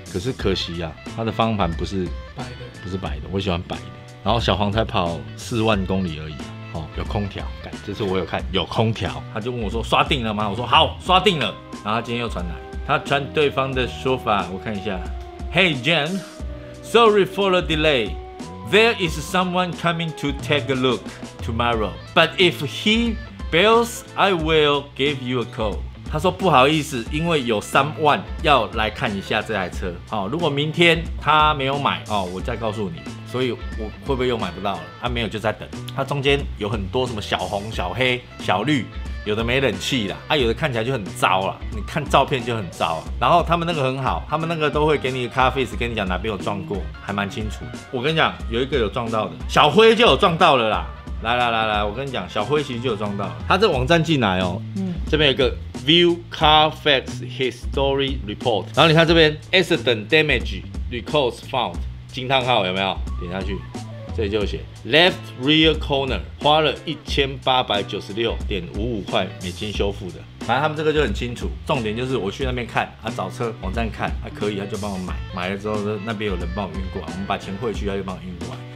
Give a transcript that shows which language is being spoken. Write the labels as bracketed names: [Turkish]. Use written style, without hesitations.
[Chinese] 可是可惜啊，他的方向盘不是白的，不是白的，我喜欢白的。然后小黄才跑40,000公里而已。有空调，这次我有看有空调，他就问我说刷定了吗？我说好，刷定了。然后他今天又传来，他传对方的说法，我看一下。 [English] Hey James, sorry for the delay. There is someone coming to take a look tomorrow. But if he bails, I will give you a call. [Chinese] 他说不好意思，因为有someone要来看一下这台车。如果明天他没有买，我再告诉你。所以我会不会又买不到了？没有，就在等。它中间有很多什么小红、小黑、小绿，有的没冷气啦，有的看起来就很糟啦，你看照片就很糟啊。然后他们那个很好，他们那个都会给你咖啡师跟你讲哪边有撞过，还蛮清楚。我跟你讲，有一个有撞到的，小灰就有撞到了啦。来，我跟你讲，小灰其实就有撞到了。他这网站进来哦，这边有一个。 [English] View Carfax History Report， [Chinese] 然后你看这边 [English] Accident Damage Recalls Found， [Chinese] 惊叹号有没有？点下去，这里就写 [English] Left Rear Corner， [Chinese] 花了1896.55块美金修复的。反正他们这个就很清楚，重点就是我去那边看啊，找车网站看啊，可以他就帮我买，买了之后那边有人帮我运过来，我们把钱汇去，他就帮我运过来。